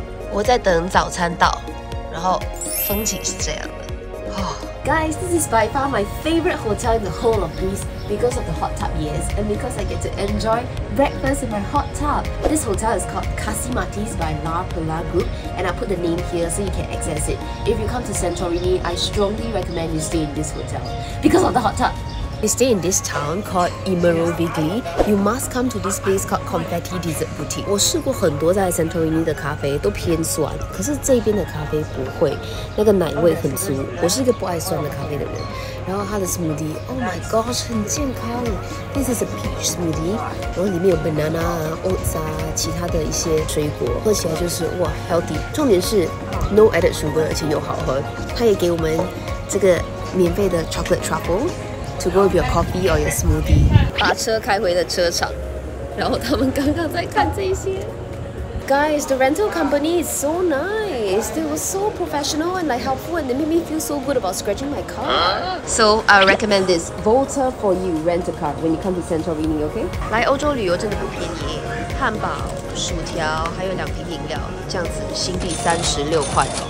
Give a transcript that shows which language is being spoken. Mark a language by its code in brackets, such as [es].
[zh] 我在等早餐到，然后风景是这样的。 [en] Guys, this is by far my favorite hotel in the whole of Greece because of the hot tub, yes, and because I get to enjoy breakfast in my hot tub. This hotel is called Kasimatis by La Pola Group, and I put the name here so you can access it. If you come to Santorini, I strongly recommend you stay in this hotel because of the hot tub. You stay in this town called Imerovigli, you must come to this place called Confetti Dessert Boutique. [zh] 我试过很多在 Santorini 的咖啡都偏酸，可是这边的咖啡不会，那个奶味很足。我是一个不爱酸的咖啡的人。然后它的 smoothie, [en] oh my gosh, [zh] 很健康。 [en] This is a peach smoothie, [zh] 然后里面有 banana, oats, 啊，其他的一些水果，喝起来就是哇 healthy。重点是 [en] no added sugar, [zh] 而且又好喝。它也给我们这个免费的 chocolate truffle。 [en] To go with your coffee or your smoothie. [zh] 把车开回了车场，然后他们刚刚在看这些。 [en] Guys, the rental company is so nice. They were so professional and like helpful, and they made me feel so good about scratching my car. So I recommend this. Volta for you, rent a car when you come to Santorini, okay? [zh] 来欧洲旅游真的不便宜，汉堡、薯条还有两瓶饮料，这样子新币36块。